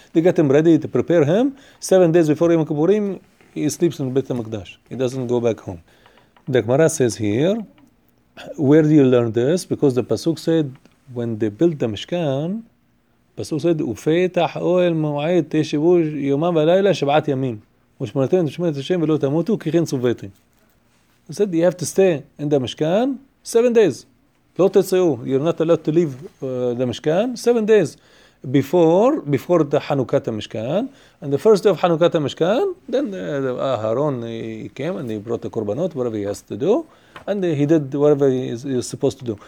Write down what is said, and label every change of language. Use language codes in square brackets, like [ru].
[en] They get him ready to prepare him. 7 days before Yom Kippurim, he sleeps in Beit HaMikdash. He doesn't go back home. The Gemara says here, Where do you learn this? Because the Pasuk said, when they built the Mishkan, Pasuk said, [he] ופתח אוהל מועד תשבו יומם ולילה שבעת ימים. ושמרתם ושמרת השם ולא תמותו, כי כן צוויתם. [en] He said, you have to stay in the Mishkan 7 days. [he] לא תצאו, [en] you're not allowed to leave the Mishkan 7 days. Before the Hanukkah Mishkan, and the first day of Hanukkah Mishkan, then Aharon he came and he brought the korbanot, whatever he has to do, and he did whatever he is supposed to do.